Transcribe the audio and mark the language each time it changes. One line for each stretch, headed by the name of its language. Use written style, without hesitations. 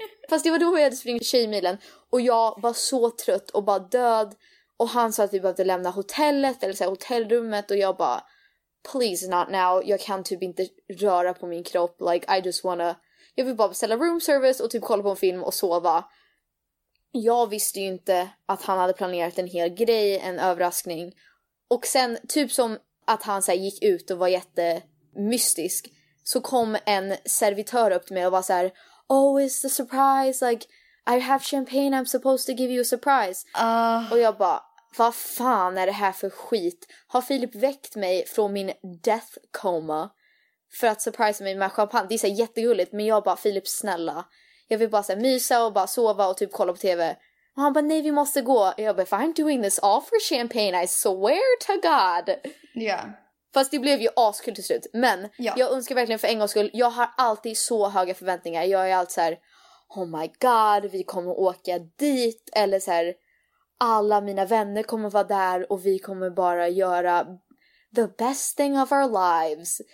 Swedish: fast det var då jag hade springit tjejmilen, och jag var så trött och bara död. Och han sa att vi behövde lämna hotellet eller så här, hotellrummet. Och jag bara,
English: please not now.
Swedish: Jag kan typ inte röra på min kropp.
English: Like, I just wanna...
Swedish: Jag vill bara beställa room service och typ kolla på en film och sova. Jag visste ju inte att han hade planerat en hel grej, en överraskning. Och sen typ som att han så här, gick ut och var jättemystisk. Så kom en servitör upp till mig och var så här,
English: oh, is the surprise, like... I have champagne, I'm supposed to give you a surprise.
Swedish: Och jag bara, vad fan är det här för skit? Har Filip väckt mig från min
English: death coma
Swedish: för att surprise mig med champagne? Det är så jättegulligt, men jag bara, Filip snälla. Jag vill bara så här, mysa och bara sova och typ kolla på tv. Och han bara, nej vi måste gå. Och jag bara,
English: if I'm doing this all for champagne, I swear to God.
Swedish: Ja.
English: Yeah.
Swedish: Fast det blev ju askul till slut. Men jag önskar verkligen för en gångs skull, jag har alltid så höga förväntningar. Jag är alltid så här... Oh my god, vi kommer åka dit. Eller så här, alla mina vänner kommer vara där. Och vi kommer bara göra
English: the best thing of our lives.